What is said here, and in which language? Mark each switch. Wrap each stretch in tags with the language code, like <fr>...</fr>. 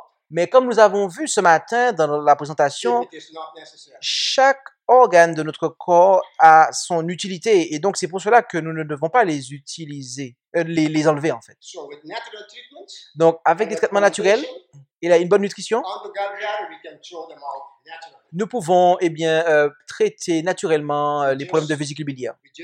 <fr>Mais comme nous avons vu ce matin dans la présentation, chaque organe de notre corps a son utilité et donc c'est pour cela que nous ne devons pas les utiliser, les enlever en fait.</fr> <en>So with natural treatments,</en> <fr>donc avec des traitements naturels et une bonne nutrition,</fr> <en>on the gallbladder, we can throw them out naturally.</en> <fr>nous pouvons eh bien, traiter naturellement les problèmes de vésicule biliaire.</fr>